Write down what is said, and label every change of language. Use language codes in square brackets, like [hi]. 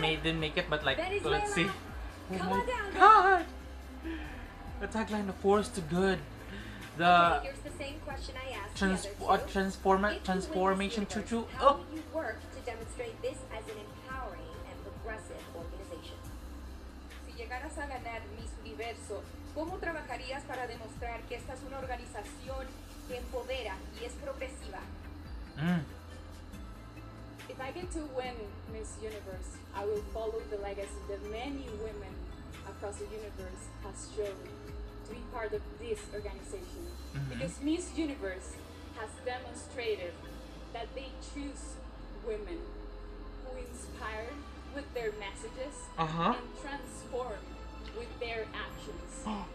[en] May didn't make it, but like let's see. Come on down. God. The tagline, the force to good. The okay, here's the same question I asked. Transformation universe, choo-choo. How would you work to demonstrate this as an empowering and progressive organization? [es] Si llegaras a ganar Miss Universo, ¿cómo trabajarías para demostrar que esta es una organización que empodera y es progresiva? Mm. [en] If I get to win Miss Universe, I will follow the legacy that many women across the universe has shown to be part of this organization. Mm-hmm. Because Miss Universe has demonstrated that they choose women who inspire with their messages and transform with their actions.